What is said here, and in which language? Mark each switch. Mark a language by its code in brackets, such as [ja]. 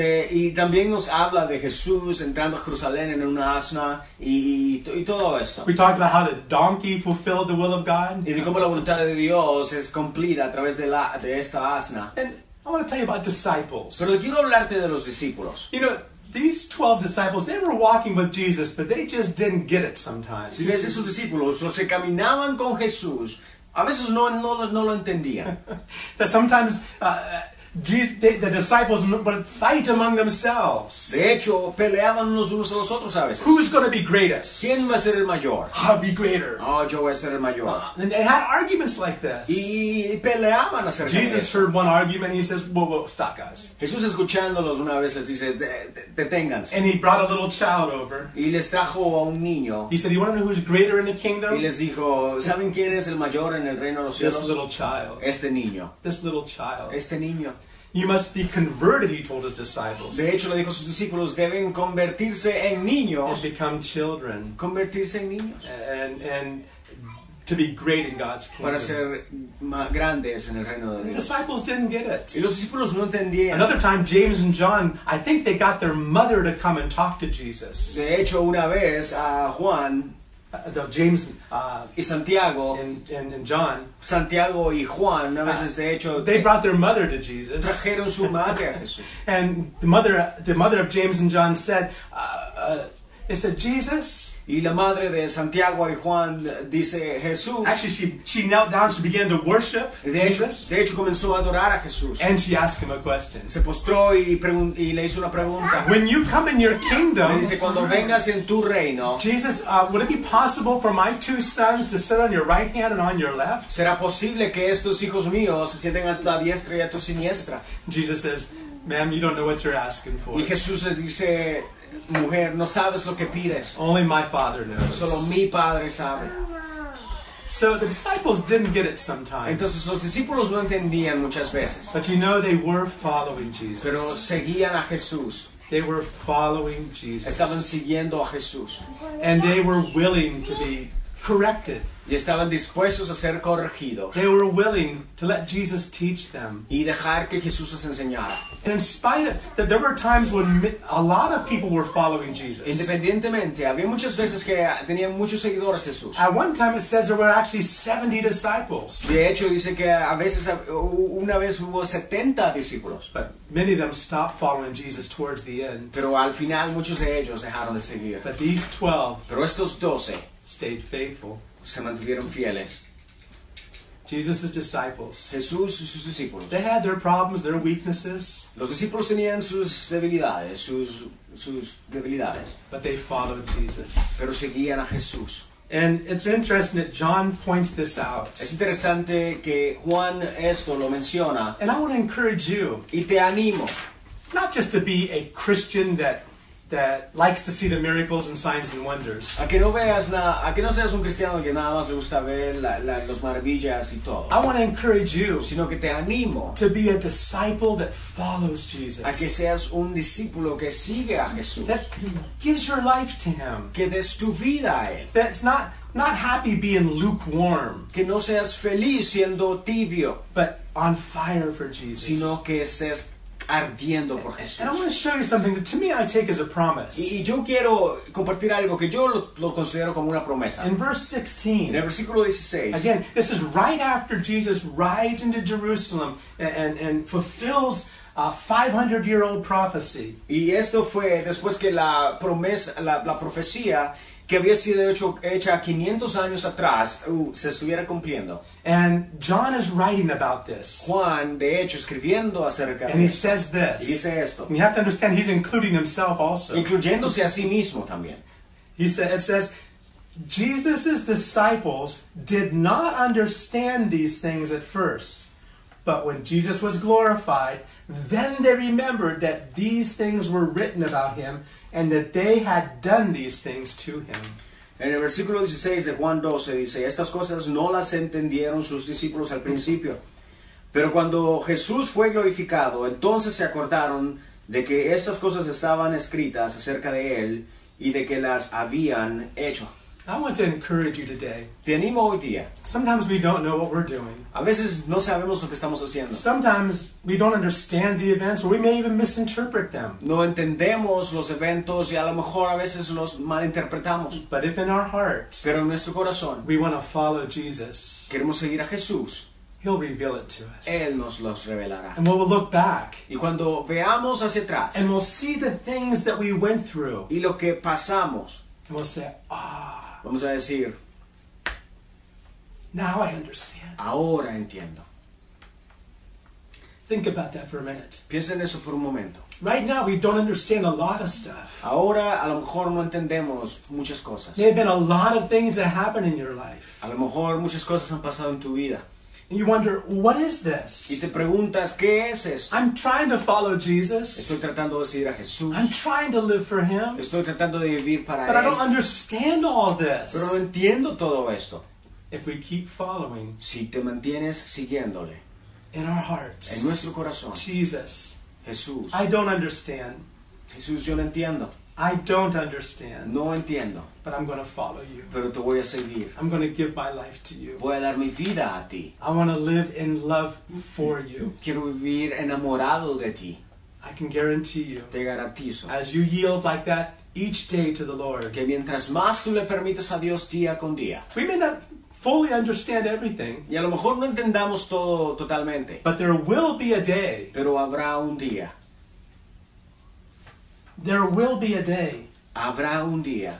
[es] Y también nos habla de Jesús entrando a Jerusalén en una asna y todo esto. [en] We talked about how the donkey fulfilled the will of God. [es] Y de cómo la voluntad de Dios es cumplida a través de esta asna. [en] And I want to tell you about disciples. [es] Pero quiero hablarte de los discípulos. [en] You know, these 12 disciples, they were walking with Jesus, but they just didn't get it sometimes. [es] Si ves esos discípulos, los que caminaban con Jesús, a veces no lo entendían. [en] That sometimes, the disciples would fight among themselves. [es] De hecho, peleaban los unos a los otros a veces. [en] Who's going to be greatest? [es] ¿Quién va a ser el mayor? [en] I'll be greater. [es] Oh, yo voy a ser el mayor. [en] And they had arguments like this. [es] Y peleaban acerca de eso. [en] Jesus heard one argument and he says, whoa, stop guys. [es] Jesús escuchándolos una vez les dice, deténganse. [en] And he brought a little child over. [es] Y les trajo a un niño. [en] He said, you want to know who's greater in the kingdom? [es] Y les dijo, ¿saben quién es el mayor en el reino de los cielos? [en] This little child. [es] Este niño. [en] This little child. [es] Este niño. [en] You must be converted, he told his disciples. [es] De hecho, le dijo a sus discípulos, deben convertirse en niños. [en] And become children. [es] Convertirse en niños. [en] And to be great in God's kingdom. [es] Para ser más grandes en el reino de Dios. [en] The disciples didn't get it. [es] Y los discípulos no entendían. [en] Another time, James and John, I think they got their mother to come and talk to Jesus. [es] De hecho, una vez, Juan, [en] James [es] y Santiago [en] and John, [es] Santiago y Juan, una vez de hecho, [en] they brought their mother to Jesus. [es] Trajeron su madre a Jesús. [en] And the mother of James and John said, it said, Jesus. [es] Y la madre de Santiago y Juan dice, Jesús. [en] Actually, she knelt down, she began to worship Jesus. [es] De hecho, comenzó a adorar a Jesús. [en] And she asked him a question. [es] Se postró y le hizo una pregunta. [en] When you come in your kingdom, [es] dice, cuando vengas en tu reino, [en] Jesus, would it be possible for my two sons to sit on your right hand and on your left? [es] ¿Será posible que estos hijos míos se sienten a tu diestra y a tu siniestra? [en] Jesus says, ma'am, you don't know what you're asking for. [es] Y Jesús le dice, mujer, no sabes lo que pides. [en] Only my father knows. [es] Solo mi padre sabe. [en] So the disciples didn't get it sometimes. [es] Entonces los discípulos no entendían muchas veces. [en] But you know they were following Jesus. [es] Pero seguían a Jesús. [en] They were following Jesus. [es] Estaban siguiendo a Jesús. [en] And they were willing to be corrected. [es] y estaban dispuestos a ser corregidos. [en] They were willing to let Jesus teach them. [es] Y dejar que Jesús les enseñara. [en] And in spite of that, there were times when a lot of people were following Jesus. [es] Independientemente, había muchas veces que tenían muchos seguidores de Jesús. [en] At one time it says there were actually 70 disciples. [es] De hecho, dice que a veces una vez hubo 70 discípulos. [en] But many of them stopped following Jesus towards the end. [es] Pero al final muchos de ellos dejaron de seguir. [en] But these 12, [es] pero estos 12 [en] stayed faithful. [es] Se mantuvieron fieles. [en] Jesus' disciples. [es] Jesús y sus discípulos. [en] They had their problems, their weaknesses. [es] Los discípulos tenían sus debilidades, sus debilidades. [en] But they followed Jesus. [es] Pero seguían a Jesús. [en] And it's interesting that John points this out. [es] Es interesante que Juan esto lo menciona. [en] And I want to encourage you. [es] Y te animo. [en] Not just to be a Christian that likes to see the miracles and signs and wonders. [es] A que no veas nada, a que no seas un cristiano que nada más le gusta ver los maravillas y todo. [en] I want to encourage you, [es] sino que te animo, [en] to be a disciple that follows Jesus. [es] A que seas un discípulo que sigue a Jesús. [en] That gives your life to Him. [es] Que des tu vida a Él. [en] That's not happy being lukewarm. [es] Que no seas feliz siendo tibio. [en] But on fire for Jesus. [es] Sino que estés ardiendo por Jesús. [en] And I want to show you something that to me I take as a promise. [es] Y yo quiero compartir algo que yo lo considero como una promesa. [en] In verse 16. [es] En el versículo 16. [en] Again, this is right after Jesus rides into Jerusalem and fulfills a 500-year-old prophecy. [es] Y esto fue después que la promesa, la profecía que había sido hecha 500 años atrás, se estuviera cumpliendo. [en] And John is writing about this. [es] Juan, de hecho, escribiendo acerca [en] and [es] de [en] And he [es] esto. [en] Says this. [es] Y dice esto. [en] And you have to understand, he's including himself also. [es] Incluyéndose a sí mismo también. [en] It says, Jesus' disciples did not understand these things at first. But when Jesus was glorified, then they remembered that these things were written about him and that they had done these things to him. [es] En el versículo 16 de Juan 12 dice, estas cosas no las entendieron sus discípulos al principio. Pero cuando Jesús fue glorificado, entonces se acordaron de que estas cosas estaban escritas acerca de él y de que las habían hecho. [en] I want to encourage you today. [es] Te animo hoy día. [en] Sometimes we don't know what we're doing. [es] A veces no sabemos lo que estamos haciendo. [en] Sometimes we don't understand the events, or we may even misinterpret them. [es] No entendemos los eventos y a lo mejor a veces los malinterpretamos. [en] But if in our heart, [es] pero en nuestro corazón, [en] we want to follow Jesus, [es] queremos seguir a Jesús, [en] He'll reveal it to us. [es] Él nos los revelará. [en] And we'll look back. [es] Y cuando veamos hacia atrás, [en] and we'll see the things that we went through. [es] Y lo que pasamos, [en] and we'll say, ah. [es] Vamos a decir, [en] now I understand. [es] Ahora entiendo. [en] Think about that for a minute. [es] Piensa en eso por un momento. [en] Right now we don't understand a lot of stuff. [es] Ahora a lo mejor no entendemos muchas cosas. [en] There have been a lot of things that happen in your life. [es] A lo mejor muchas cosas han pasado en tu vida. [en] And you wonder, what is this? [es] Y te preguntas, ¿qué es esto? [en] I'm trying to follow Jesus. [es] Estoy tratando de seguir a Jesús. [en] I'm trying to live for Him. [es] Estoy tratando de vivir para [en] but I don't understand all this. [es] Pero entiendo todo esto. [en] If we keep following, [es] si te mantienes siguiéndole, [en] in our hearts, [es] en nuestro corazón, [en] Jesus, [es] Jesús, [en] I don't understand. [es] Jesús, yo no entiendo. [en] I don't understand. [es] No entiendo. [en] But I'm going to follow you. [es] Pero te voy a seguir. [en] I'm going to give my life to you. [es] Voy a dar mi vida a ti. [en] I want to live in love for you. [es] Quiero vivir enamorado de ti. [en] I can guarantee you. [es] Te garantizo. [en] As you yield like that each day to the Lord. [es] Que mientras más tú le permites a Dios día con día. [en] We may not fully understand everything. [es] Y a lo mejor no entendamos todo totalmente. [en] But there will be a day. [es] Pero habrá un día. [en] There will be a day. [es] Habrá un día.